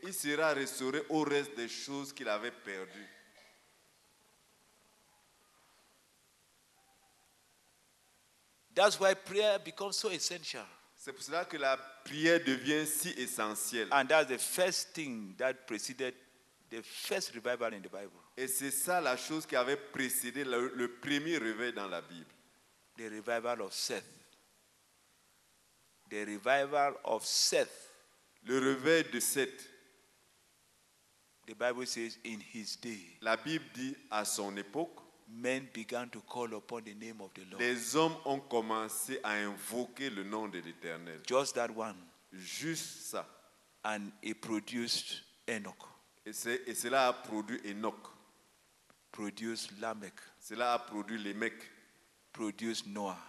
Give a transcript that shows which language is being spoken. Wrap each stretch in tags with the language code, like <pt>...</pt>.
<fr>Il sera restauré au reste des choses qu'il avait perdues.</fr> <en>That's why prayer becomes so essential.</en> <fr>C'est pour cela que la prière devient si essentielle.</fr> <en>And that's the first thing that preceded the first revival in the Bible.</en> <fr>Et c'est ça la chose qui avait précédé le premier réveil dans la Bible.</fr> <en>The revival of Seth. The revival of Seth.</en> <fr>Le réveil de Seth.</fr> <en>The Bible says in his day.</en> <fr>La Bible dit à son époque.</fr> <en>Men began to call upon the name of the Lord.</en> <fr>Les hommes ont commencé à invoquer le nom de l'Éternel.</fr> <en>Just that one.</en> <fr>Juste ça.</fr> <en>And it produced Enoch.</en> <fr>Et cela a produit Enoch.</fr> <en>Produced Lamech.</en> <fr>Cela a produit Lémech.</fr> <en>Produced Noah.</en>